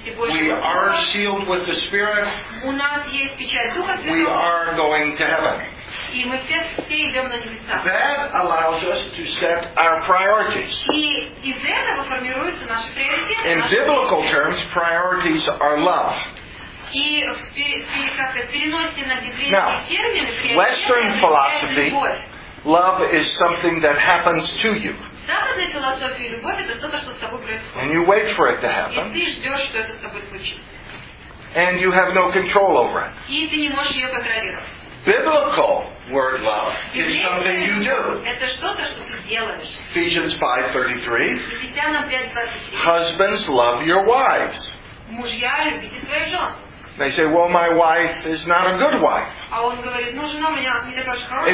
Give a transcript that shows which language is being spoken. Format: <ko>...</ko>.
<en>We are sealed with the Spirit. We are going to heaven.</en> <ru>И мы все идем на небеса.</ru> <en>That allows us to set our priorities.</en> <ru>И из этого формируются наши приоритеты.</ru> <en>In biblical terms, priorities are love.</en> <ru>И в переносе на библейский термин,</ru> <en>Western philosophy, love is something that happens to you.</en> <ru>Западная философия, любовь — это что-то, что с тобой происходит.</ru> <en>And you wait for it to happen.</en> <ru>И ты ждешь, что это с тобой случится.</ru> <en>And you have no control over it.</en> <ru>И ты не можешь ее контролировать.</ru> <en>Biblical word love is something you do.</en> <ru>Это что-то, что ты делаешь.</ru> <en>Ephesians 5:33. Husbands, love your wives.</en> <ru>Мужья, любите твою жену.</ru> <en>They say, well, my wife is not a good wife.</en> <ru>А он говорит, ну, жена у меня не такая же хорошая.</ru>